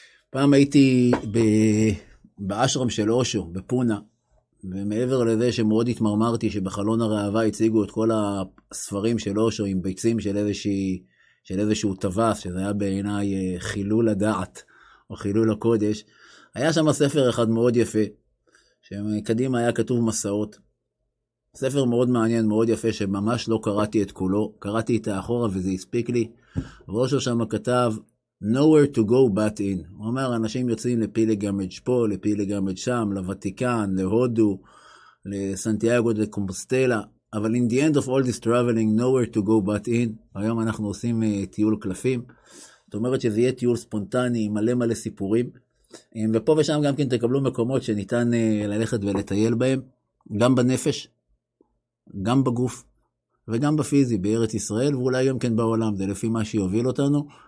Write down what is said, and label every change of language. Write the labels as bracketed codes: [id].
[he] פעם הייתי באשרם של אושו, בפונה, ומעבר לזה שמאוד התמרמרתי שבחלון הראווה הציגו את כל הספרים של אושו עם ביצים של איזשהו טווס, שזה היה בעיניי חילול הדעת או חילול הקודש, היה שם ספר אחד מאוד יפה, שקדימה היה כתוב מסעות. ספר מאוד מעניין, מאוד יפה, שממש לא קראתי את כולו. קראתי את האחורה וזה הספיק לי. ראשו שם כתב, [en] nowhere to go but in. [he] הוא אומר, אנשים יוצאים לפילגרמג' פה, לפילגרמג' שם, לוותיקן, להודו, לסנטיאגו דה קומפוסטלה. אבל [en] in the end of all this traveling, nowhere to go but in. [he] היום אנחנו עושים טיול קלפים. זאת אומרת שזה יהיה טיול ספונטני, מלא מלא סיפורים. ופה ושם גם כן תקבלו מקומות שניתן ללכת ולטייל בהם, גם בנפש, גם בגוף, וגם בפיזי, בארץ ישראל, ואולי גם כן בעולם, זה לפי מה שיוביל אותנו.